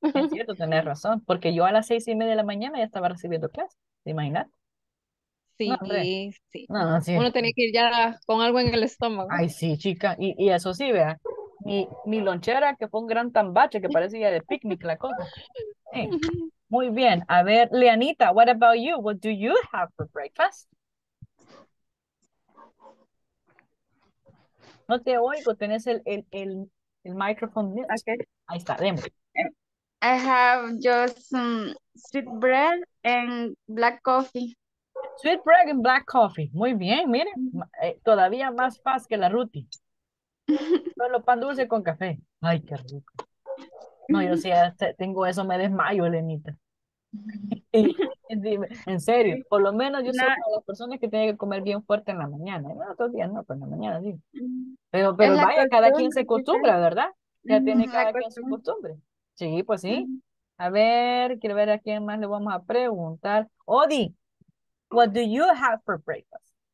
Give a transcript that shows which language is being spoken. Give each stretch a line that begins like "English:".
Spanish: Es cierto, tenés razón, porque yo a las 6:30 de la mañana ya estaba recibiendo clase, ¿te imaginas? Sí, no, sí. No, uno tenía que ir ya con algo en el estómago. Ay, sí, chica, y eso sí, vea. Mi lonchera, que fue un gran tambache, que parecía de picnic la cosa. Hey, muy bien.
English: A ver, Leanita, what about you? What do you have for breakfast?
Spanish: No te oigo, tenés el micrófono. Okay. Ahí está, demo.
English: I have just some sweet bread and black coffee. Sweet bread and black coffee.
Spanish: Muy bien, mire. Todavía más fast que la Ruti. Solo pan dulce con café. Ay, qué rico. No, yo sí, si tengo eso, me desmayo, Elenita. Dime, en serio, por lo menos yo soy una de las personas que tiene que comer bien fuerte en la mañana. No, otros días no, pero en la mañana sí. Pero vaya, cada quien se acostumbra, ¿verdad? Ya tiene cada quien su costumbre. Sí, pues sí. A ver, quiero ver a quién más le vamos a preguntar.
English: Odi, what do you have for breakfast?